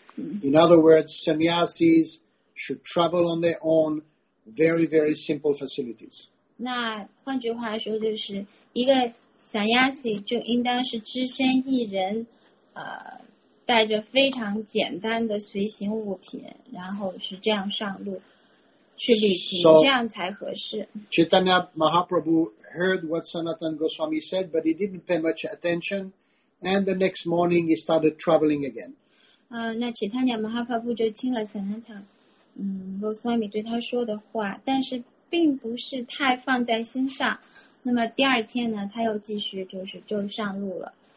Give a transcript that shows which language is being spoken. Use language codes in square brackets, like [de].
[en] In other words, sannyasis should travel on their own very, very simple facilities. [zh] 那换句话说就是一个Sanyasi 就应当是只身一人、带着非常简单的随行物品然后是这样上路去旅行 [en] so, [zh] 这样才合适 [en] Chaitanya Mahaprabhu heard what Sanatana Goswami said but he didn't pay much attention and the next morning he started traveling again、 [zh] 那 Chaitanya Mahaprabhu 就听了 Sanatana、Goswami 对他说的话但是并不是太放在心上那么第二天呢他又继续就是就上路了。